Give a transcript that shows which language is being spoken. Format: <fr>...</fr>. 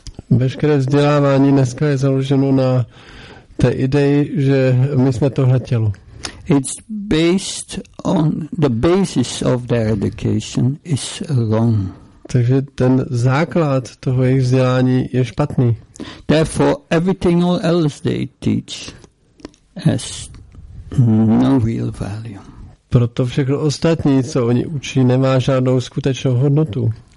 <cs>Veškeré vzdělávání dneska je založeno na té ideji, že my jsme tohle tělo.</cs> <en>It's based on the basis of their education is wrong.</en> <cs>Takže ten základ toho jejich vzdělání je špatný.</cs> <en>Therefore, everything else they teach has no real value.</en> <cs>Proto všechno ostatní, co oni učí, nemá žádnou skutečnou hodnotu.</cs>